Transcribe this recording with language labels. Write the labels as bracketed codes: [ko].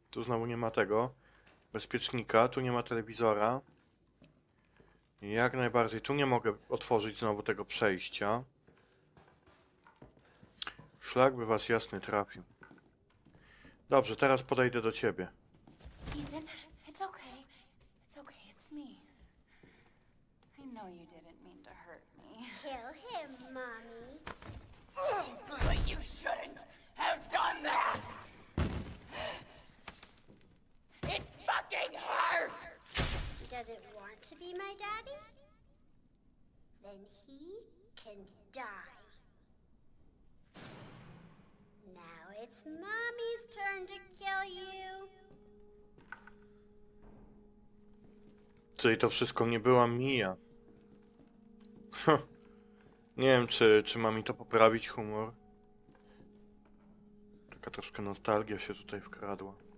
[pl] Tu znowu nie ma tego bezpiecznika, tu nie ma telewizora. Jak najbardziej, tu nie mogę otworzyć znowu tego przejścia. Szlak by was jasny trafił. Dobrze, teraz podejdę do ciebie. [en] Ethan, it's okay. It's okay, it's me. I know you didn't mean to hurt me. Kill him, mommy. Oh, but you shouldn't have done that! It fucking hurts! Does it want to be my daddy? Then he can die. Now it's mommy's turn to kill you. [pl] Czyli to wszystko nie była Mia. Nie wiem, czy ma mi to poprawić humor. Taka troszkę nostalgia się tutaj wkradła.